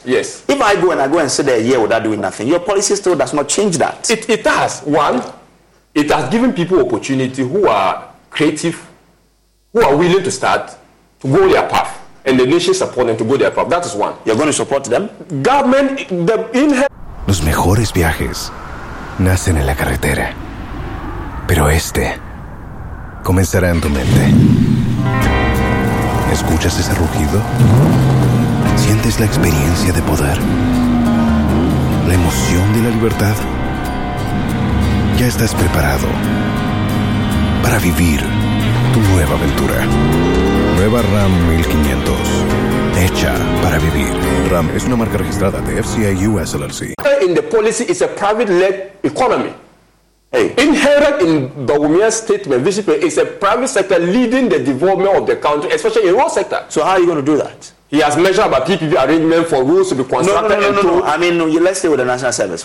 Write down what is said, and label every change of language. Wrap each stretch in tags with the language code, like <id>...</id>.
<en>Yes. If I go and sit there a year without doing nothing, your policy still does not change that. It has. One, it has given people opportunity who are creative, who are willing to start, to go their path, and the nation support them to go their path. That is one. You're going to support them? Government, the...</en> <es>Los mejores viajes nacen en la carretera, pero este comenzará en tu mente. ¿Escuchas ese rugido? ¿Sientes la experiencia de poder? ¿La emoción de la libertad? Ya estás preparado para vivir tu nueva aventura. Nueva Ram 1500. Hecha para vivir. Ram es una marca registrada de FCA US LLC.</es> <en>In the policy, it's a private-led economy. Hey. Inherent in Bagumia's statement, basically, it's a private sector leading the development of the country, especially in rural sector. So how are you going to do that? He has measured about PPP arrangement for rules to be constructed. Let's say with the national service.</en>